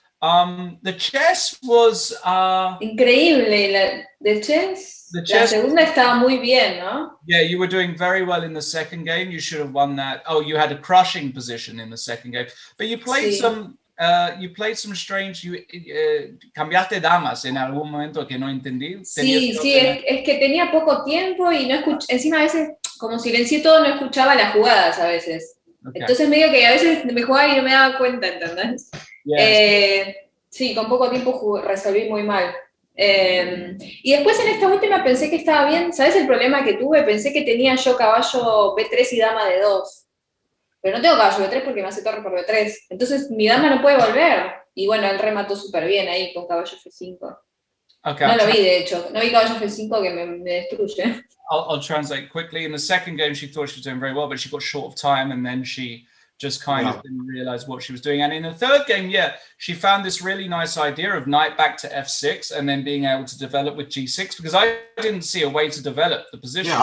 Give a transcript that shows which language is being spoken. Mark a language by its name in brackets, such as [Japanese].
[English] The chess was incredible. The chess. [Spanish] La segunda estaba muy bien, ¿no? [English] Yeah, you were doing very well in the second game. You should have won that. Oh, you had a crushing position in the second game, but you played you played some strange. [Spanish] You cambiaste damas en algún momento que no entendí. Es que tenía poco tiempo y no escuché. Encima a veces como silencié todo, no escuchaba las jugadas a veces. Okay. Entonces medio que a veces me jugaba y no me daba cuenta, ¿entendés? Yes. Sí, con poco tiempo resolví muy mal. Y después en esta última pensé que estaba bien. ¿Sabes el problema que tuve? Pensé que tenía yo caballo B3 y dama de 2. Pero no tengo caballo B3 porque me hace torre por B3. Entonces mi dama no puede volver. Y bueno, él remató súper bien ahí con caballo F5. Okay, no lo vi, de hecho. No vi caballo F5 que me destruye. [English] I'll translate quickly. In the second game she thought she was doing very well, but she got short of time and then she just kind of didn't realize what she was doing. And in the third game, yeah, she found this really nice idea of knight back to F6 and then being able to develop with G6 because I didn't see a way to develop the position.